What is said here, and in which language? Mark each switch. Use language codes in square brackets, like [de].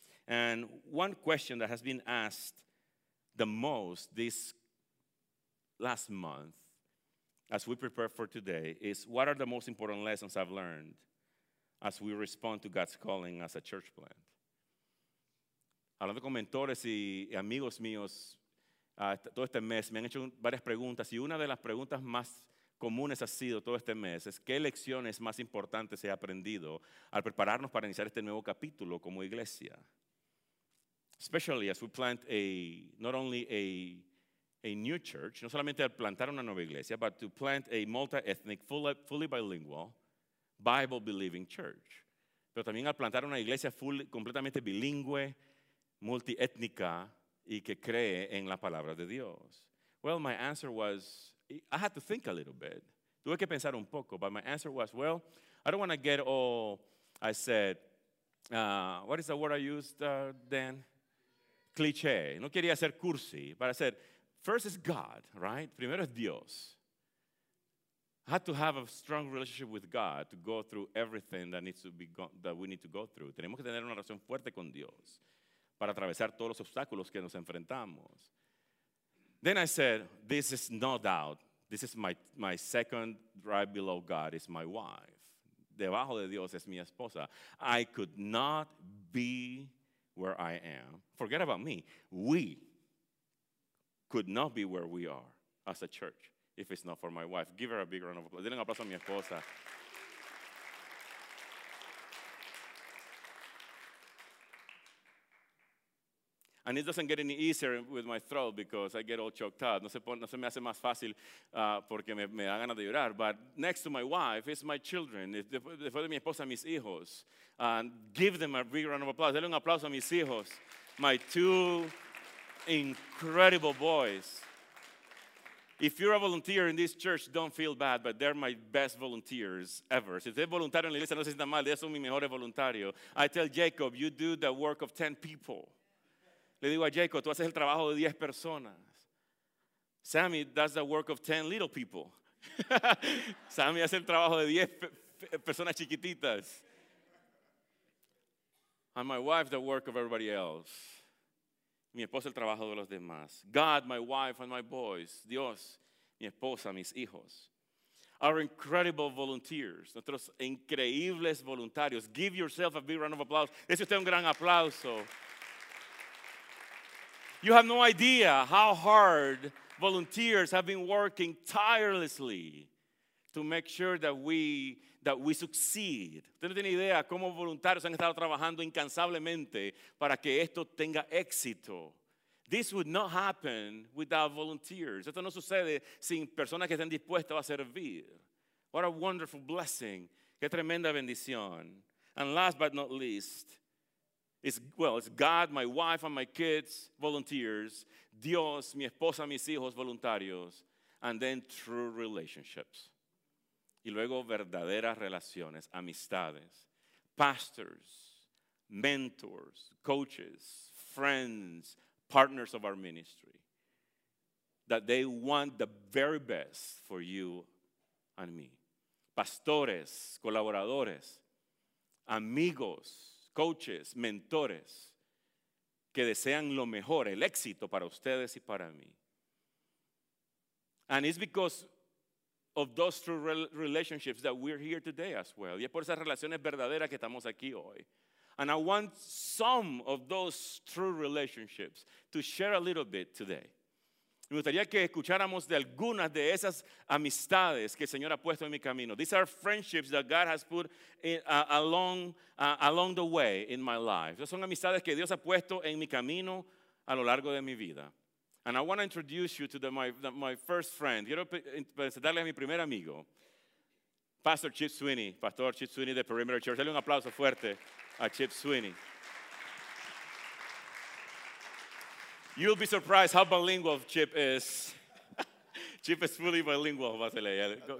[en] And one question that has been asked the most this last month, as we prepare for today, is what are the most important lessons I've learned as we respond to God's calling as a church plant? [es] Hablando con mentores y amigos míos todo este mes, me han hecho varias preguntas, y una de las preguntas más comunes ha sido todo este mes es qué lecciones más importantes he aprendido al prepararnos para iniciar este nuevo capítulo como iglesia. [en] Especially as we plant not only a new church, [es] no solamente al plantar una nueva iglesia, [en] but to plant a multi-ethnic, fully bilingual, Bible-believing church. [es] Pero también al plantar una iglesia completamente bilingüe, multi-étnica, y que cree en la palabra de Dios. [en] Well, my answer was, I had to think a little bit. [es] Tuve que pensar un poco, [en] but my answer was, well, I don't want to get all, I said, what is the word I used, Dan? Cliché. [es] No quería ser cursi, [en] but I said, first is God, right? [es] Primero es Dios. [en] I had to have a strong relationship with God to go through everything that we need to go through. [es] Tenemos que tener una relación fuerte con Dios para atravesar todos los obstáculos que nos enfrentamos. [en] Then I said, this is no doubt. This is my second right below God is my wife. [es] Debajo de Dios es mi esposa. [en] I could not be where I am. Forget about me. We could not be where we are as a church if it's not for my wife. Give her a big round of applause. [es] Denle un aplauso a mi esposa. [en] And it doesn't get any easier with my throat because I get all choked up. [es] No se me hace más fácil porque me da ganas de llorar. [en] But next to my wife is my children. [es] Después de mi esposa, mis hijos. [en] And give them a big round of applause. [es] Denle un aplauso a mis hijos. [en] My two incredible boys. If you're a volunteer in this church, don't feel bad, but they're my best volunteers ever. [es] Si usted es voluntario en la iglesia, no se sienta mal. Ellos son mis mejores voluntarios. [en] I tell Jacob, you do the work of 10 people. [es] Le digo a Jacob, tú haces el trabajo de 10 personas. [en] Sammy, that's the work of 10 little people. [es] Sammy hace el trabajo de 10 personas chiquititas. [en] And my wife, the work of everybody else. [es] Mi esposa, el trabajo de los demás. [en] God, my wife and my boys. [es] Dios, mi esposa, mis hijos. [en] Our incredible volunteers. [es] Nuestros increíbles voluntarios. [en] Give yourself a big round of applause. [es] Dese usted un gran aplauso. [en] You have no idea how hard volunteers have been working tirelessly to make sure that we succeed. [es] ¿Usted no tiene idea cómo voluntarios han estado trabajando incansablemente para que esto tenga éxito? [en] This would not happen without volunteers. [es] Esto no sucede sin personas que estén dispuestas a servir. [en] What a wonderful blessing. [es] Qué tremenda bendición. [en] And last but not least, it's God, my wife and my kids, volunteers. [es] Dios, mi esposa, mis hijos, voluntarios. [en] And then true relationships. [es] Y luego verdaderas relaciones, amistades, [en] pastors, mentors, coaches, friends, partners of our ministry, that they want the very best for you and me. [es] Pastores, colaboradores, amigos, coaches, mentores que desean lo mejor, el éxito para ustedes y para mí. [en] And it's because of those true relationships that we're here today as well. [es] Y es por esas relaciones verdaderas que estamos aquí hoy. [en] And I want some of those true relationships to share a little bit today. [es] Me gustaría que escucháramos de algunas de esas amistades que el Señor ha puesto en mi camino. [en] These are friendships that God has put in, along the way in my life. [es] Son amistades que Dios ha puesto en mi camino a lo largo de mi vida. [en] And I want to introduce you to my first friend. [es] Quiero presentarle a mi primer amigo, Pastor Chip Sweeney. Pastor Chip Sweeney de Perimeter Church. Dale un aplauso fuerte a Chip Sweeney. [en] You'll be surprised how bilingual Chip is. Chip is fully bilingual, Basile.